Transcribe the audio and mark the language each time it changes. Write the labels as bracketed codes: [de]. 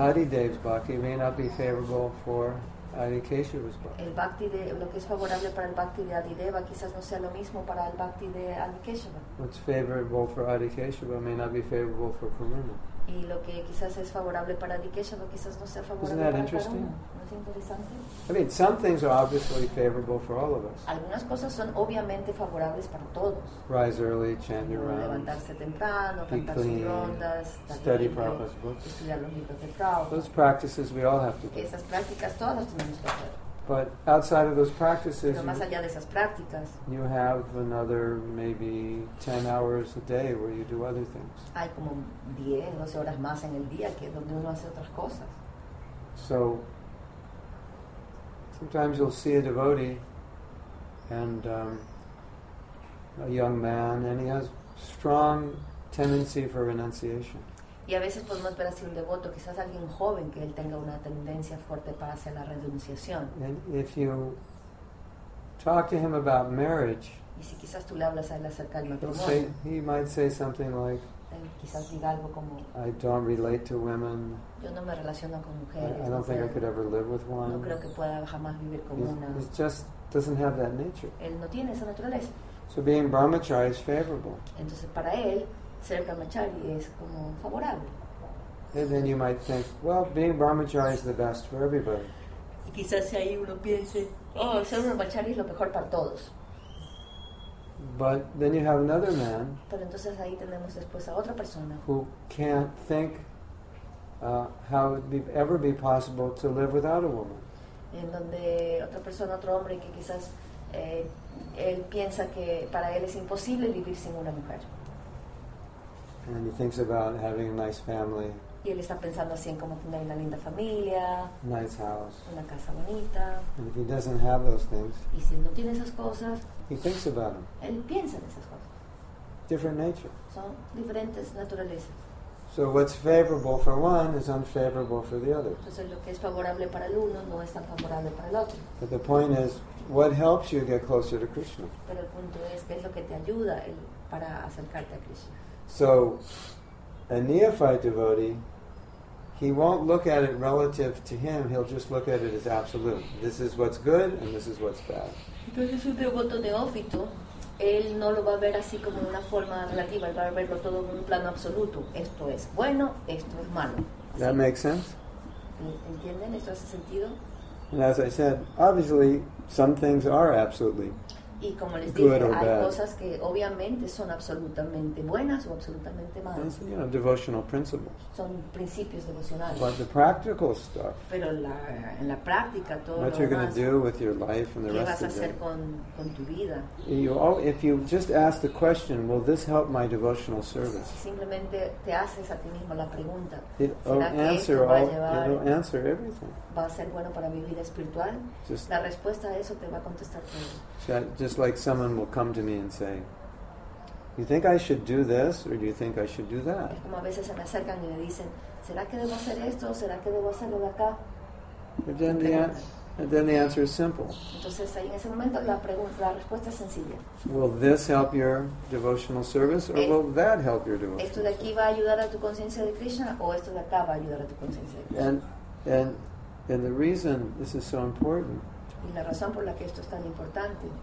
[en] Adidev's bhakti may not be favorable for Adi Keshava's bhakti. [es] El bhakti de, lo que es favorable para el bhakti de Adideva quizás no sea lo mismo para el bhakti de Adi Keshava. [en] What's favorable for Adi Keshava may not be favorable for Purnima. [es] Y lo que quizás es favorable para Adi Keshava quizás no sea favorable para Purnima. [en] Isn't that interesting? [es] Interesante. [en] I mean, some things are obviously favorable for all of us. [es] Algunas cosas son obviamente favorables para todos. [en] Rise early, chant your rounds. [es] Levantarse temprano, cantar sus rondas. [en] Study Prabhupada's books. [es] Estudiar los libros de Prabhupada. [en] Those practices we all have to do. [es] Esas prácticas todas tenemos que hacer. [en] But outside of those practices, [es] pero más allá de esas prácticas, [en] you have another maybe 10 hours a day where you do other things. [es] Hay como 10, 12 horas más en el día que donde uno hace otras cosas. [en] So sometimes you'll see a devotee and a young man and he has strong tendency for renunciation. [es] Y a veces podemos ver así un devoto, quizás alguien joven que él tenga una tendencia fuerte para hacer la renunciación. [en] And if you talk to him about marriage, [es] y si quizás tú le hablas a él acerca del matrimonio, [en] he might say something like, [es] quizás diga algo como, [en] I don't relate to women. [es] Yo no me relaciono con mujeres. [en] I don't think I could ever live with one. [es] No creo que pueda jamás vivir con una. [en] It just doesn't have that nature. [es] Él no tiene esa naturaleza. [en] So being brahmachari is favorable. [es] Entonces para él ser brahmachari es como favorable. [en] And then you might think, well, being brahmachari is the best for everybody. [es] Y quizás si ahí uno piense, oh, ser brahmachari es lo mejor para todos. [en] But then you have another man, [es] pero entonces ahí tenemos después a otra persona, [en] who can't think how it would ever be possible to live without a woman. [es] En donde otra persona, otro hombre, que quizás él piensa que para él es imposible vivir sin una mujer. [en] And he thinks about having a nice family. [es] Y él está pensando así en cómo tener una linda familia. [en] Nice house. [es] Una casa bonita. [en] And if he doesn't have those things, [es] y si él no tiene esas cosas, [en] he thinks about them. [es] Él piensa en esas cosas. [en] Different nature. [es] Son diferentes naturalezas. [en] So what's favorable for one is unfavorable for the other. [es] Entonces lo que es favorable para el uno no es tan favorable para el otro. [en] But the point is, what helps you get closer to Krishna? [es] Pero el punto es, ¿qué es lo que te ayuda para acercarte a Krishna? [en] So a neophyte devotee, he won't look at it relative to him, he'll just look at it as absolute. This is what's good and this is what's bad. [es] Entonces un devoto neófito, él no lo va a ver así como una forma relativa, él va a verlo todo en un plano absoluto. Esto es bueno, esto es malo. Así. [en] That makes sense? [es] ¿Entienden? ¿Esto hace sentido? [en] And as I said, obviously some things are absolutely [es] y como les dije, hay cosas que obviamente son absolutamente buenas o absolutamente malas. [en] It's, you know, devotional principles. [es] Son principios devocionales. [en] But the practical stuff, [es] pero en la práctica todo [en] what [es] lo demás, [en] you're gonna do with your life and the [es] ¿qué [en] rest [es] vas a [en] of [es] hacer con tu vida? [en] You, oh, if you just ask the question, will this help my devotional service? [es] Si simplemente te haces a ti mismo la pregunta, [en] it'll answer, [es] va a llevar, [en] it'll answer everything. [es] ¿Va a ser bueno para mi vida espiritual? [en] Just, [es] la respuesta a eso te va a contestar todo. [en] Just like someone will come to me and say, do you think I should do this or do you think I should do that? [es] Es como a veces se me acercan y me dicen, ¿será que debo hacer esto o será que debo hacerlo de acá? [en] And then the answer is simple. [es] Entonces ahí en ese momento la respuesta es sencilla. [en] Will this help your devotional service or will that help your devotional service? [es] ¿Esto de aquí va a ayudar a tu conciencia de Krishna o esto de acá va a ayudar a tu conciencia de Krishna? [en] And the reason this is so important, [es] y la razón por la que esto es tan importante,